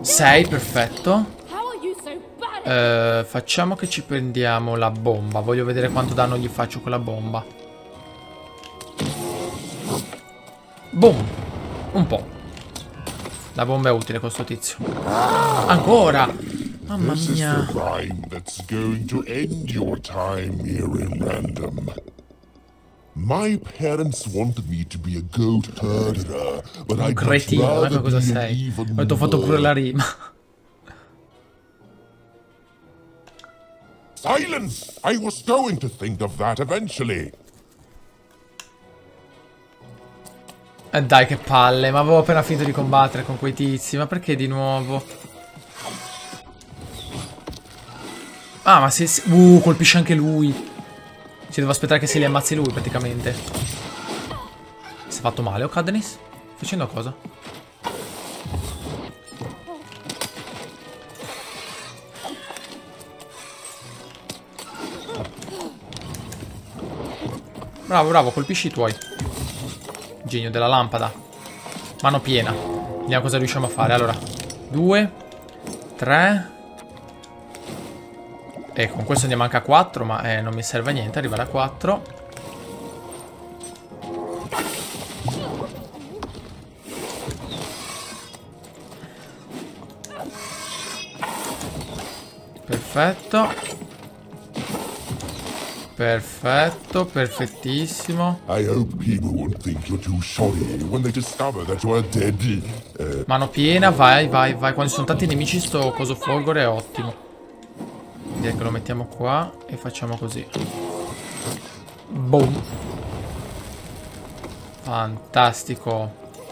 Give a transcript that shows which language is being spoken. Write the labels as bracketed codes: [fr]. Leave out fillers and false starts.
[it] 6, perfetto. Facciamo che ci prendiamo la bomba. Voglio vedere quanto danno gli faccio con la bomba. Boom. Un po'. La bomba è utile con sto tizio. Ancora. Mamma mia. [en] This is the rhyme that's going to end your time here in Random. My parents wanted me to be a goat herder, but I'd rather be [it] cosa sei? [en] Even [it] ho detto, fatto pure la rima. [en] Silence! I was going to think of that eventually. [it] Dai, che palle, ma avevo appena finito di combattere con quei tizi, ma perché di nuovo? Ah, ma se... colpisce anche lui. Si deve aspettare che se li ammazzi lui, praticamente. Si è fatto male, Cadnis? Facendo cosa? Bravo, bravo, colpisci i tuoi. Genio della lampada. Mano piena. Vediamo cosa riusciamo a fare. Allora, 2, 3... E con questo andiamo anche a 4, ma non mi serve a niente arrivare a 4. Perfetto. Perfetto, perfettissimo. [en] I hope people won't think you're too shoddy when they discover that you are dead. [it] Mano piena, vai, vai, vai. Quando ci sono tanti nemici sto coso folgore è ottimo. Che lo mettiamo qua e facciamo così. Boom. Fantastico.